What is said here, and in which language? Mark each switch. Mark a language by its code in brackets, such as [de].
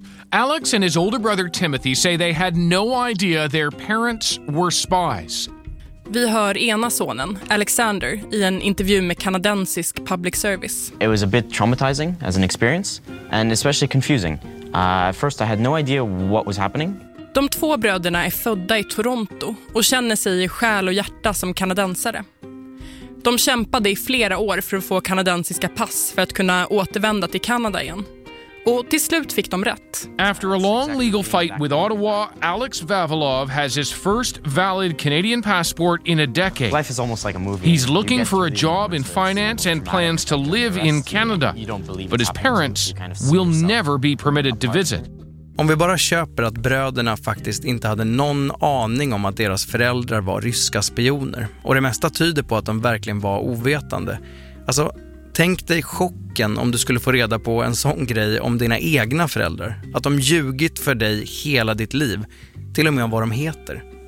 [en] Alex and his older brother Timothy say they had no idea their parents were spies. [sv] Vi hör ena sonen, Alexander, i en intervju med kanadensisk public service. [en] It was a bit traumatizing as an experience and especially confusing. At first I had no idea what was happening. [sv] De två bröderna är födda i Toronto och känner sig i själ och hjärta som kanadensare. De kämpade i flera år för att få kanadensiska pass för att kunna återvända till Kanada igen. Och till slut fick de rätt. [en] After a long legal fight with Ottawa, Alex Vavilov has his first valid Canadian passport in a decade. Life is almost like a movie. He's looking for a job in finance and plans to live in Canada. But his parents will never be permitted to visit. [sv] Om vi bara köper att bröderna faktiskt inte hade någon aning om att deras föräldrar var ryska spioner, och det mesta tyder på att de verkligen var ovetande. Alltså, tänk dig chocken om du skulle få reda på en sån grej om dina egna föräldrar. Att de ljugit för dig hela ditt liv, till och med om vad de heter.